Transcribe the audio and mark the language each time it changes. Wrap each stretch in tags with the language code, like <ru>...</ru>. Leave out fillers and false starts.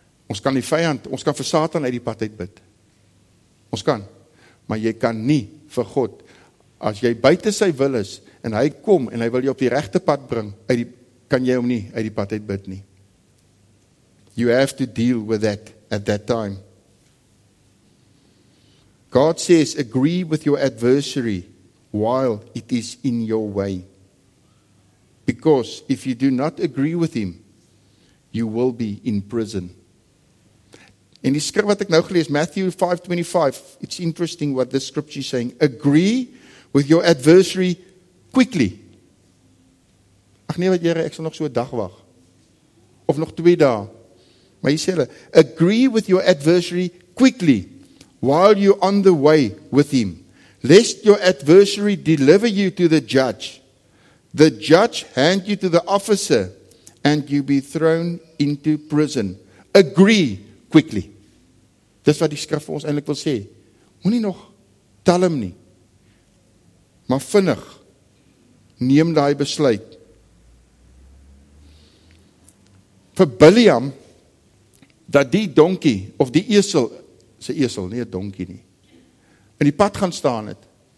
<af>Ons kan die vyand, ons kan vir Satan uit die pad uitbid. Ons kan, maar jy kan nie vir God, as jy buite sy wil is, en hy kom en hy wil jou op die regte pad bring, kan jy hom nie uit die pad uitbid nie.</af> <en>You have to deal with that at that time. God says, agree with your adversary, while it is in your way. Because if you do not agree with him, you will be in prison.</en> <af>In die skrif wat ek nou gelees, Matthew 5:25,</af> <en>it's interesting what this scripture is saying. Agree with your adversary quickly.</en> <af>Ach nee, wat Here, ek sal nog so 'n dag wag. Of nog 2 dae. Maar hy sê hulle,</af> <en>agree with your adversary quickly while you're on the way with him. Lest your adversary deliver you to the judge. The judge hand you to the officer and you be thrown into prison. Agree quickly.</en> <af>Dis wat die skrif vir ons eintlik wil sê. Moenie nog talm nie. Maar vinnig neem daai besluit. Vir Biljam dat die donkie of die esel, sy esel, nie 'n donkie nie, in die pad gaan staan het.</af>